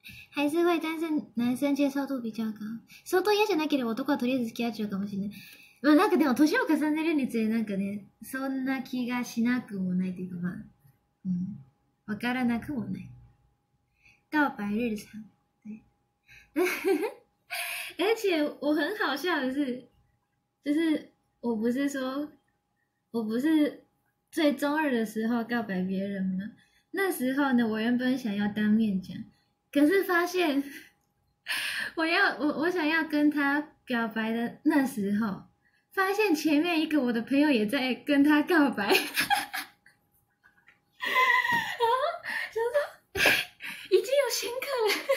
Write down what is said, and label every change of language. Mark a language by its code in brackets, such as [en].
[zh] 还是会，但是男生接受度比较高。 [ja] 相当嫌じゃなければ男はとりあえず付き合っちゃうかもしれない。まあなんかでも年を重ねるにつれなんかね、そんな気がしなくもないというかまあ、わからなくもない。 [zh] 告白日常。而且我很好笑的是，就是我不是说，我不是最中二的时候告白别人吗？那时候呢，我原本想要当面讲。可是发现我想要跟他表白的那时候，发现前面一个我的朋友也在跟他告白，然后想说已经有先客了。